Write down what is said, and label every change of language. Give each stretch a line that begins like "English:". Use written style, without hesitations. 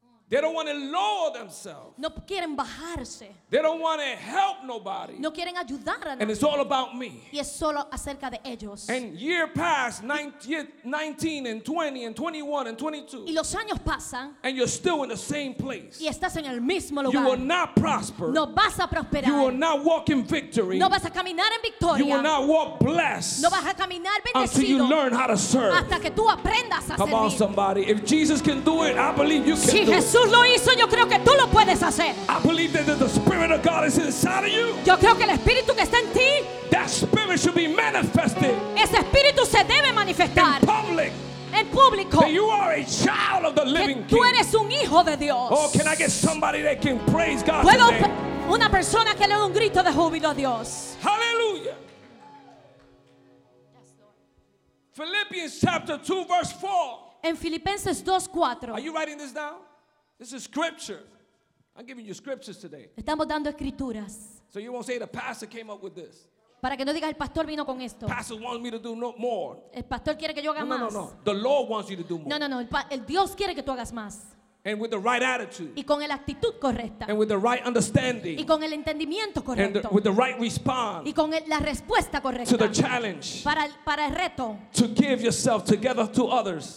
English: They don't want to lower themselves.
Spanish: No quieren bajarse.
English: They don't want to help nobody.
Spanish: No quieren ayudar a nadie.
English: And it's all about me.
Spanish: Y es solo acerca de ellos.
English: And year past, 19 and 20 and 21 and 22.
Spanish: Y los años pasan.
English: And you're still in the same place.
Spanish: Y estás en el mismo lugar.
English: You will not prosper.
Spanish: No vas a prosperar.
English: You will not walk in victory.
Spanish: No vas a caminar en victoria.
English: You will not walk blessed.
Spanish: No vas a caminar bendecido.
English: Until you learn how to serve.
Spanish: Hasta que tú aprendas a servir.
English: Come on, somebody. If Jesus can do it, I believe you can
Spanish: si
English: do it.
Spanish: Jesús lo hizo, yo creo que tú lo puedes hacer.
English: I believe that the Spirit of God is inside of you.
Spanish: Yo creo que el Espíritu que está en ti,
English: that Spirit should be manifested.
Spanish: Ese Espíritu se debe manifestar
English: in public.
Spanish: En público.
English: That you are a child of the living
Spanish: King. Que tú eres un hijo de Dios.
English: Oh, can I get somebody that can praise God
Spanish: ¿Puedo
English: today?
Spanish: Puedo una persona que le dé un grito de júbilo a Dios.
English: Hallelujah. Philippians chapter 2 verse 4.
Spanish: En Filipenses 2:4.
English: Are you writing this down? This is scripture. I'm giving you scriptures today.
Spanish: Estamos dando escrituras.
English: So you won't say the pastor came up with this.
Spanish: Para que no digas el pastor vino con esto.
English: Pastor wants me to do more.
Spanish: El pastor quiere que yo haga más.
English: No. The Lord wants you to do more.
Spanish: No. El Dios quiere que tú hagas más.
English: And with the right attitude.
Spanish: Y con la actitud correcta.
English: And with the right understanding.
Spanish: Y con el entendimiento correcto.
English: And with the right response.
Spanish: Y con la respuesta correcta.
English: To the challenge.
Spanish: Para el reto.
English: To give yourself together to others.